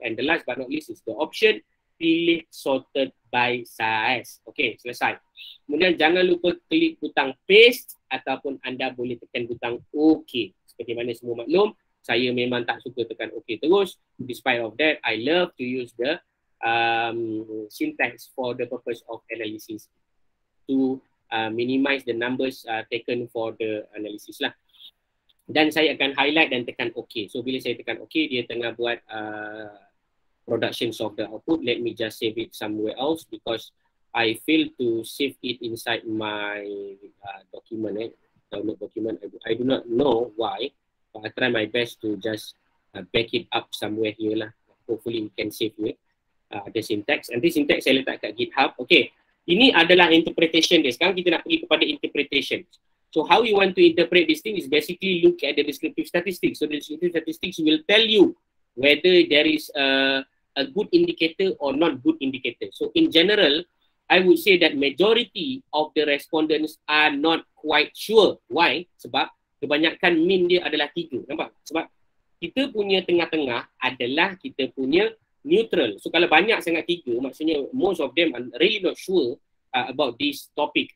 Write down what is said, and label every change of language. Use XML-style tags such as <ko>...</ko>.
<en>And the last but not least is the option,</en> <ms>pilih</ms> <en>sorted by size.</en> <ms>Okay, selesai. Kemudian jangan lupa klik butang paste, ataupun anda boleh tekan butang OK. Seperti mana semua maklum, saya memang tak suka tekan OK terus.</ms> <en>Despite of that, I love to use the syntax for the purpose of analysis, to minimize the numbers taken for the analysis lah.</en> <ms>Dan saya akan highlight dan tekan OK. So bila saya tekan OK, dia tengah buat</ms> <en>production of the output. Let me just save it somewhere else, because I fail to save it inside my document, download document. I do not know why, but I try my best to just back it up somewhere here lah. Hopefully you can save it.</en> <ms>Ada syntax, nanti syntax saya letak kat GitHub. Okay, ini adalah interpretation dia. Sekarang kita nak pergi kepada interpretation.</ms> <en>So how you want to interpret this thing is basically look at the descriptive statistics. So the descriptive statistics will tell you whether there is a good indicator or not good indicator. So in general, I would say that majority of the respondents are not quite sure. Why?</en> <ms>Sebab kebanyakan mean dia adalah 3. Nampak? Sebab kita punya tengah-tengah adalah kita punya neutral.</ms> <en>So</en> <ms>kalau banyak sangat 3, maksudnya</ms> <en>most of them are really not sure about this topic.</en>